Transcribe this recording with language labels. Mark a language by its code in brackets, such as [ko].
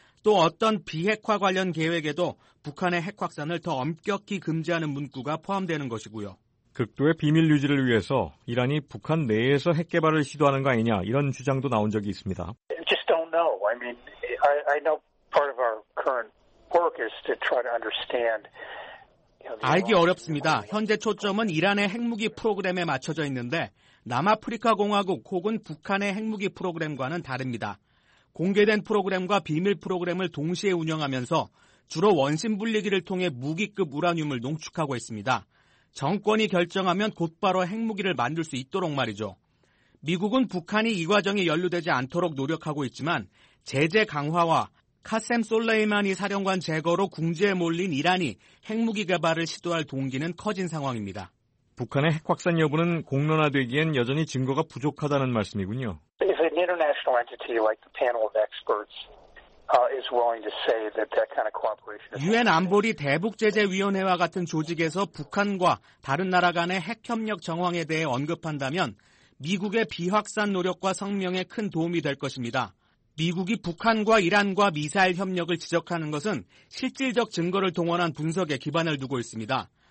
[ko] 또 어떤 비핵화 관련 계획에도 북한의 핵 확산을 더 엄격히 금지하는 문구가 포함되는 것이고요. 극도의 비밀 유지를 위해서 이란이 북한 내에서 핵 개발을 시도하는 거 아니냐 이런 주장도 나온 적이 있습니다. [en] Just don't know. I mean, I know part of our current work is to try to understand. [ko] 알기 어렵습니다. 현재 초점은 이란의 핵무기 프로그램에 맞춰져 있는데 남아프리카공화국 혹은 북한의 핵무기 프로그램과는 다릅니다. 공개된 프로그램과 비밀 프로그램을 동시에 운영하면서 주로 원심불리기를 통해 무기급 우라늄을 농축하고 있습니다. 정권이 결정하면 곧바로 핵무기를 만들 수 있도록 말이죠. 미국은 북한이 이 과정에 연루되지 않도록 노력하고 있지만 제재 강화와 카셈 솔레이마니 사령관 제거로 궁지에 몰린 이란이 핵무기 개발을 시도할 동기는 커진 상황입니다. 북한의 핵 확산 여부는 공론화되기엔 여전히 증거가 부족하다는 말씀이군요. [en] If an international entity like the panel of experts is willing to say that that kind of cooperation, [ko] 유엔 안보리 대북 제재 위원회와 같은 조직에서 북한과 다른 나라 간의 핵 협력 정황에 대해 언급한다면 미국의 비확산 노력과 성명에 큰 도움이 될 것입니다. 미국이 북한과 이란과 미사일 협력을 지적하는 것은 실질적 증거를 동원한 분석에 기반을 두고 있습니다.